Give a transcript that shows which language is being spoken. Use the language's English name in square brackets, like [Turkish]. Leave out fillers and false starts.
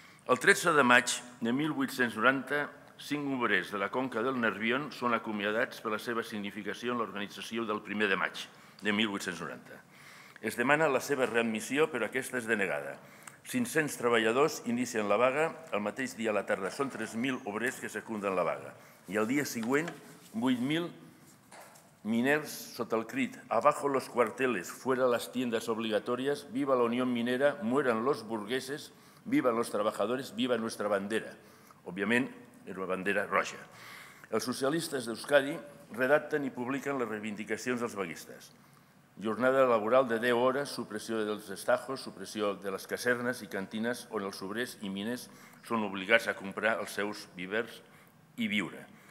[Catalan] El 13 de maig de 1890, 5 obrers de la Conca del Nervión són acomiadats per la seva significació en l'organització del 1 de maig de 1890. Es demana la seva readmissió, però aquesta és denegada. 500 treballadors inicien la vaga, el mateix dia a la tarda són 3.000 obrers que secunden la vaga. I el dia següent, 8.000 miners sota el crit [Spanish] «Abajo los cuarteles, fuera las tiendas obligatorias, viva la Unión Minera, mueran los burgueses, viva los trabajadores, viva nuestra bandera». [Catalan] Òbviament, era una bandera roja. Els socialistes d'Euskadi redacten i publiquen les reivindicacions dels vaguistes. Jornada laboral de 10 hores, supressió dels estajos, supressió de les casernes i cantines on els obrers i miners són obligats a comprar els seus vivers i viure.